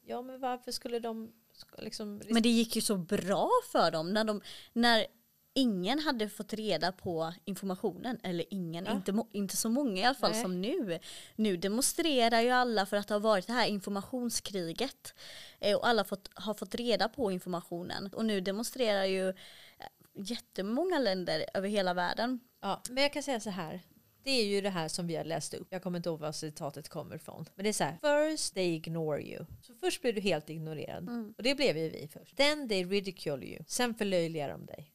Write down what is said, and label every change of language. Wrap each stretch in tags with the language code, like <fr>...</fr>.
<sv>Ja, men varför skulle de... Liksom... Men det gick ju så bra för dem när de... När ingen hade fått reda på informationen, eller ingen, ja. inte så många i alla fall. Nej. Som nu. Nu demonstrerar ju alla för att det har varit det här informationskriget. Och alla har fått reda på informationen. Och nu demonstrerar ju jättemånga länder över hela världen. Ja, men jag kan säga så här. Det är ju det här som vi har läst upp. Jag kommer inte ihåg vad citatet kommer ifrån. Men det är så här.</sv> <en>First they ignore you.</en> <sv>Så först blir du helt ignorerad. Mm. Och det blev ju vi först.</sv> <en>Then they ridicule you.</en> <sv>Sen förlöjligar de dig.</sv>